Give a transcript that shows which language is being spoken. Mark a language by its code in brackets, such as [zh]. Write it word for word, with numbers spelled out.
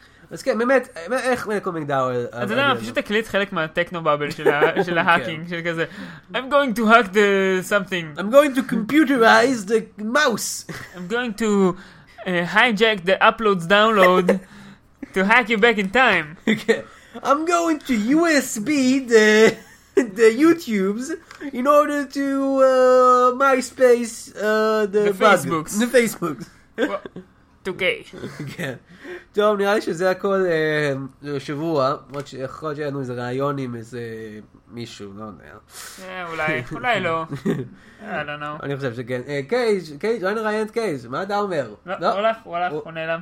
[he] אז כן, באמת, איך מלקום מגדאוול... אתה יודע, פשוט תקליט חלק מהטכנובאבל של ההאקינג, של כזה, [en] I'm going to hack the something. I'm going to computerize the mouse. I'm going to hijack the uploads download to hack you back in time. I'm going to U S B the the YouTubes in order to MySpace the Facebooks. The Facebooks. to gay. [he] כן. טוב, נראה לי שזה הכל שבוע, עוד שיכול להיות לנו איזה רעיון עם איזה מישהו, לא יודע. אולי, אולי לא. [en] I don't know. [he] אני חושב שכן. קייג', קייג', אולי נראיין את קייג', מה אתה אומר? הוא הולך, הוא הולך, הוא נעלם.